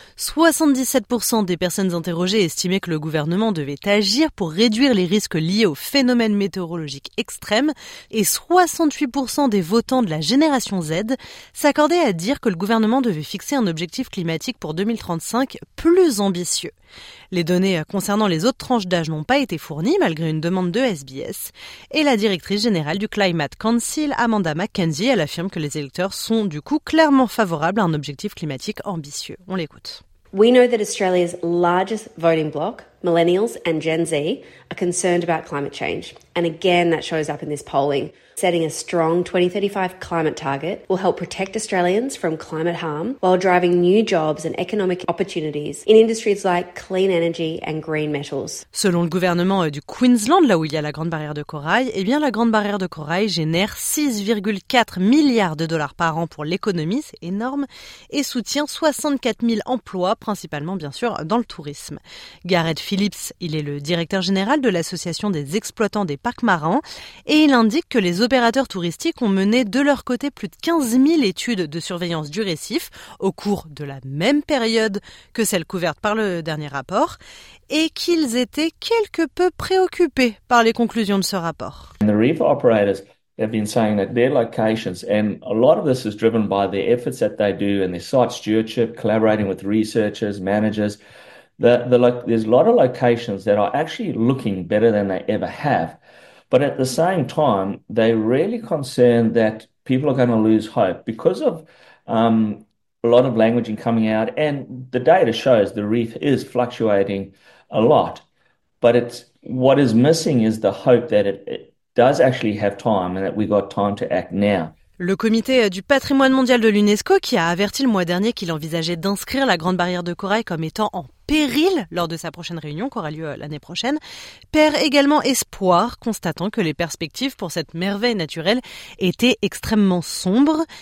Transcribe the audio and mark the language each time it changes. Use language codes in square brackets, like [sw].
[fr] 77% des personnes interrogées estimaient que le gouvernement devait agir pour réduire les risques liés aux phénomènes météorologiques extrêmes et 68% des votants de la génération Z s'accordaient à dire que le gouvernement devait fixer un objectif climatique pour 2035 plus ambitieux. Les données concernant les autres tranches d'âge n'ont pas été fournies malgré une demande de SBS et la directrice générale du Climate Council, Amanda McKenzie, elle affirme que les électeurs sont du coup clairement favorables à un objectif climatique ambitieux. On l'écoute. [en] We know that Australia's largest voting bloc Millennials and Gen Z are concerned about climate change. And again, that shows up in this polling. Setting a strong 2035 climate target will help protect Australians from climate harm while driving new jobs and economic opportunities in industries like clean energy and green metals. [fr] Selon le gouvernement du Queensland, là où il y a la Grande Barrière de Corail, eh bien la Grande Barrière de Corail génère 6,4 milliards de dollars par an pour l'économie, c'est énorme, et soutient 64 000 emplois, principalement bien sûr dans le tourisme. Gareth Phillips, il est le directeur général de l'Association des exploitants des parcs marins, et il indique que les opérateurs touristiques ont mené de leur côté plus de 15 000 études de surveillance du récif au cours de la même période que celle couverte par le dernier rapport et qu'ils étaient quelque peu préoccupés par les conclusions de ce rapport. [en] The reef operators have been saying that their locations, and a lot of this is driven by the efforts that they do and their site stewardship, collaborating with researchers, managers, there's a lot of locations that are actually looking better than they ever have. But at the same time, they're really concerned that people are going to lose hope because of a lot of language coming out. And the data shows the reef is fluctuating a lot. But it's what is missing is the hope that it does actually have time and that we've got time to act now. [fr] Le comité du patrimoine mondial de l'UNESCO, qui a averti le mois dernier qu'il envisageait d'inscrire la Grande Barrière de Corail comme étant en péril lors de sa prochaine réunion, qui aura lieu l'année prochaine, perd également espoir, constatant que les perspectives pour cette merveille naturelle étaient extrêmement sombres.